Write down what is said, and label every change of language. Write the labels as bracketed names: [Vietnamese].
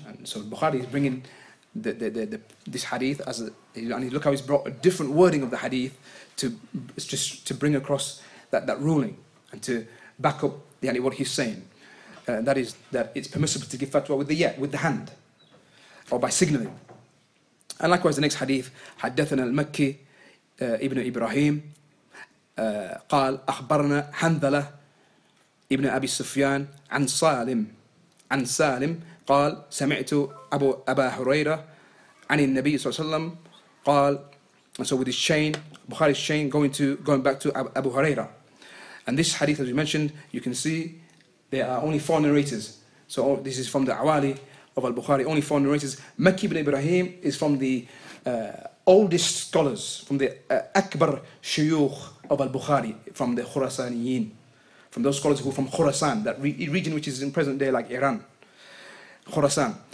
[English] And so Bukhari is bringing this hadith as a, and look how he's brought a different wording of the hadith to bring across that ruling and to back up what he's saying. That is that it's permissible to give fatwa with the hand. Or by signaling. [Arabic] And likewise, the next hadith, حدثنا المكي ابن إبراهيم قال أخبرنا حنظلة ابن أبي سفيان عن سالم قال سمعت أبا هريرة عن النبي صلى الله عليه وسلم قال. [English] And so with his chain, Bukhari's chain going back to Abu Huraira. And this hadith, as we mentioned, you can see there are only 4 narrators. So this is from the Awali of Al-Bukhari, only 4 narrators. Makki ibn Ibrahim is from the oldest scholars, from the Akbar Shuyukh of Al-Bukhari, from the Khurasaniyin, from those scholars who are from Khurasan, that region which is in present day like Iran. Khorasan.